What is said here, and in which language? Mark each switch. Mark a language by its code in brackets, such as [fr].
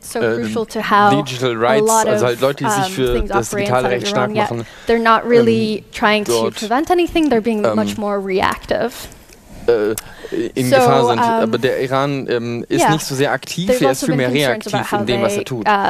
[de] Digital Rights, also halt Leute, die sich für das digitale Recht stark machen, [en] they're not really trying to prevent anything, they're being much more reactive. [de] In Gefahr sind. Aber der Iran ist nicht so sehr aktiv, er ist vielmehr reaktiv in dem, was er tut.